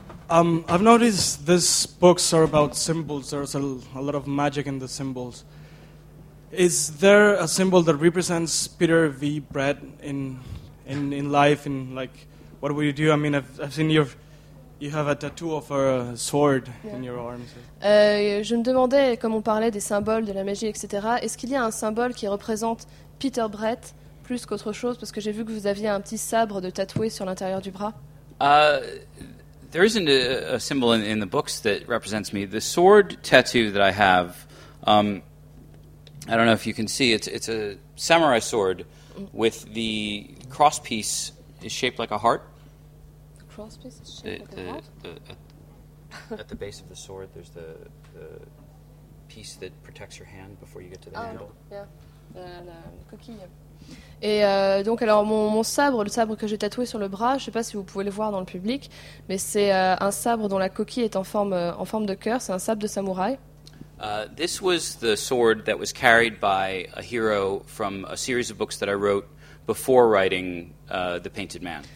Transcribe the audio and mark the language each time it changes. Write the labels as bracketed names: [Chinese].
[English] I've noticed these books are about symbols. There's a lot of magic in the symbols. Is there a symbol that represents Peter V. Brett in life? In like, what would you do? I mean, I've seen you have a tattoo of a sword in your arm. [French] Je me demandais, comme on parlait des symboles, de la magie, etc., est-ce qu'il y a un symbole qui représente Peter Brett plus qu'autre chose? Parce que j'ai vu que vous aviez un petit sabre de tatoué sur l'intérieur du bras. [English] There isn't a symbol in the books that represents me. The sword tattoo that I have, I don't know if you can see, it's a samurai sword with the cross piece is shaped like a heart. The cross piece is shaped like a heart? At the base of the sword, there's the piece that protects your hand before you get to the handle. Yeah, the coquille. [French] Et donc alors mon sabre, le sabre que j'ai tatoué sur le bras, je ne sais pas si vous pouvez le voir dans le public, mais c'est un sabre dont la coquille est en forme de cœur, c'est un sabre de samouraï. [English] This was the sword that was carried by a hero from a series of books that I wrote before writing The Painted Man.